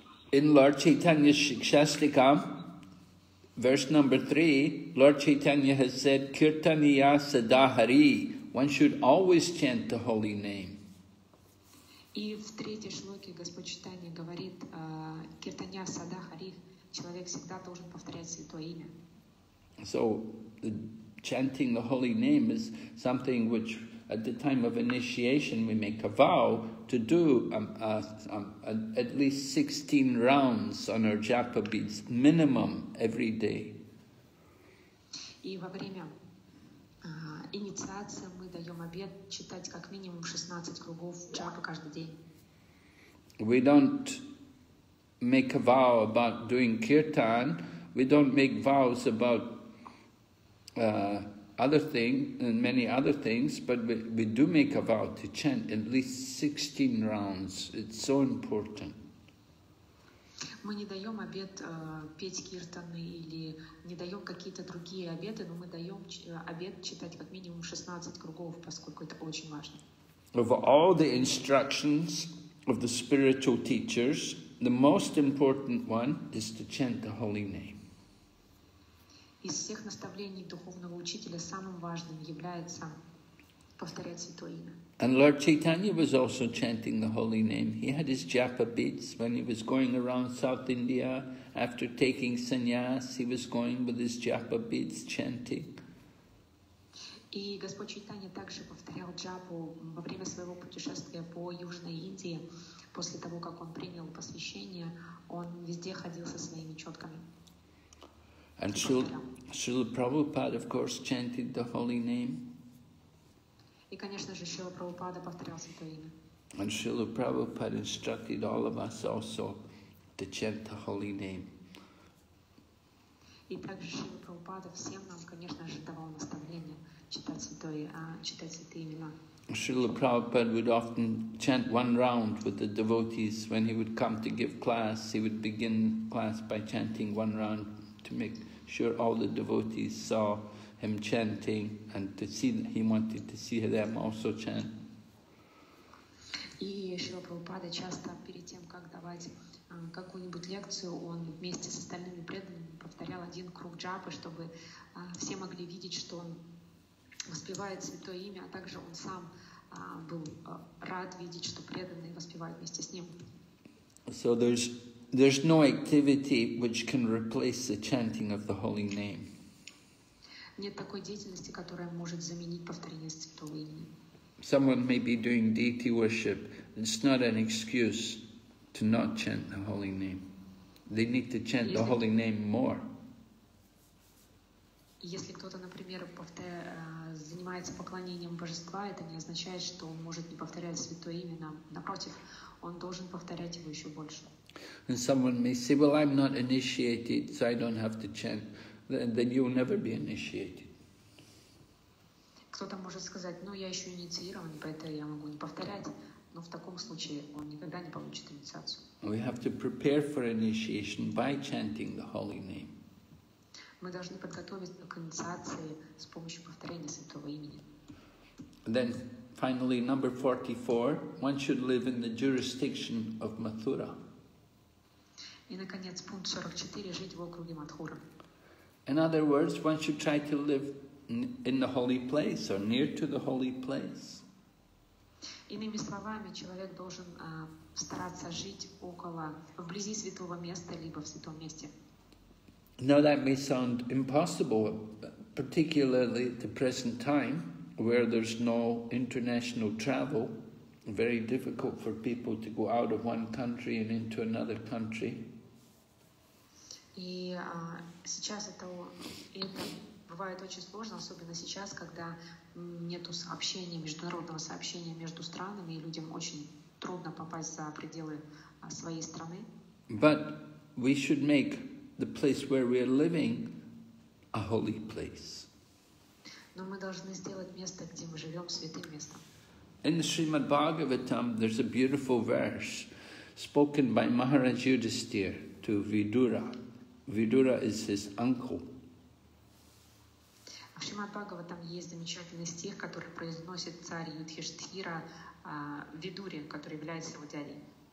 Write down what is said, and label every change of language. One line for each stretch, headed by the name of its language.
English: In Lord Chaitanya Shikshastikam, verse number 3, Lord Chaitanya has said, Kirtaniya Sadahari, one should always chant the holy name.
Russian: И в третьей шлоке Господь Читания говорит, Киртанья Сада Хари, человек всегда должен повторять святое имя.
English: So, chanting the holy name is something which at the time of initiation we make a vow to do at least 16 rounds on our japa beads, minimum, every day.
Russian: И во время инициации мы даем обет читать как минимум 16 кругов джапа каждый день.
English: We don't make a vow about doing kirtan. We don't make vows about other things and many other things, but we do make a vow to chant at least 16 rounds. It's so important.
Russian: Мы не даем обет петь киртаны или не даем какие-то другие обеты, но мы даем обет читать как минимум 16 кругов, поскольку это очень важно.
English: Of all the instructions of the spiritual teachers, the most important one is to chant the holy name.
Russian: Из всех наставлений духовного учителя самым важным является повторять святое имя.
English: And Lord Chaitanya was also chanting the holy name. He had his japa beads when he was going around South India after taking sannyas. He was going with his japa beads chanting.
Russian: И Господь Чайтанья также повторял джапу во время своего путешествия по Южной Индии. После того, как он принял посвящение, он везде ходил со своими четками.
English: And Srila Prabhupada, of course, chanted the holy name.
Russian: И, конечно же, Шрила Прабхупада повторял святое имя.
English: And Srila Prabhupada instructed all of us also to chant the holy name.
Russian: И также Шрила Прабхупада всем нам, конечно же, давал наставление читать святые имена.
English: Шрила Прабхупада would often chant one round with the devotees. When he would come to give class, he would begin class by chanting one round to make sure all the devotees saw him chanting, and to see that he wanted to see them also chant.
Russian: И Шрила Прабхупада часто перед тем, как давать какую-нибудь лекцию, он вместе с остальными преданными повторял один круг джапы, чтобы все могли видеть, что он воспевает святое имя, а также он сам был рад видеть, что преданные воспевают вместе с ним.
English: So there's there's no activity which can replace the chanting of the holy name.
Russian: Нет такой деятельности, которая может заменить повторение святого имени.
English: Someone may be doing deity worship. It's not an excuse to not chant the holy name. They need to chant the holy name more.
Russian: Если кто-то, например, занимается поклонением божества, это не означает, что он может не повторять святое имя. Напротив, он должен повторять его еще больше.
English: And someone may say, well, I'm not initiated, so I don't have to chant. Then you will never be initiated.
Russian: Кто-то может сказать, ну, я еще инициирован, поэтому я могу не повторять. Но в таком случае он никогда не получит инициацию.
English: We have to prepare for initiation by chanting the holy name.
Russian: Мы должны подготовиться к инициации с помощью повторения святого имени.
English: Then, finally, number 44, one should live in the jurisdiction of Mathura.
Russian: И, наконец, пункт 44, жить в округе Матхура.
English: In other words, one should try to live in the holy place or near to the holy place.
Russian: Иными словами, человек должен стараться жить около, вблизи святого места, либо в святом месте.
English: Now that may sound impossible, particularly at the present time, where there's no international travel, very difficult for people to go out of one country and into another country.
Russian: И сейчас это бывает очень сложно, особенно сейчас, когда нету сообщения, международного сообщения между странами, и людям очень трудно попасть за пределы своей страны.
English: But we should make the place where we are living a holy place.
Russian: Но мы должны сделать место, где мы живем, святым местом.
English: In the Srimad Bhagavatam, there's a beautiful verse spoken by Maharaj Yudhisthira to Vidura. Vidura is his uncle.
Russian: В Шримад Бхагаватам есть замечательный стих, который произносит царь Юдхиштхира Видуре, который является его дядей.